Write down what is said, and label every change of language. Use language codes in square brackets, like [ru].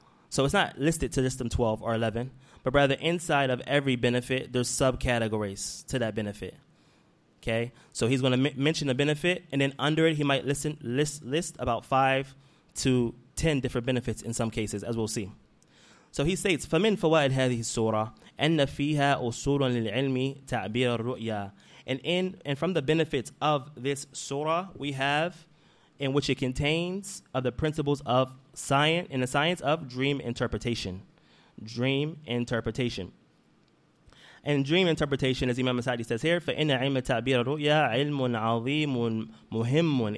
[en] So it's not listed to just them 12 or 11, but rather inside of every benefit, there's subcategories to that benefit. Okay, so he's going to mention a benefit, and then under it, he might list about 5 to 10 different benefits in some cases, as we'll see. So he states, [ar] فَمِنْ فَوَائِدْ هَذِهِ surah أَنَّ فِيهَا أُصُولٌ لِلْعِلْمِ تَعْبِيرَ الرُّؤْيَا. [en] And from the benefits of this surah, we have, in which it contains, of the principles of science, in the science of dream interpretation. Dream interpretation. And dream interpretation, as Imam Sa'di says here, [ar] فَإِنَّ عِلْمَ تَعْبِيرَ الرُّؤْيَا عِلْمٌ عَظِيمٌ مُهِمٌ.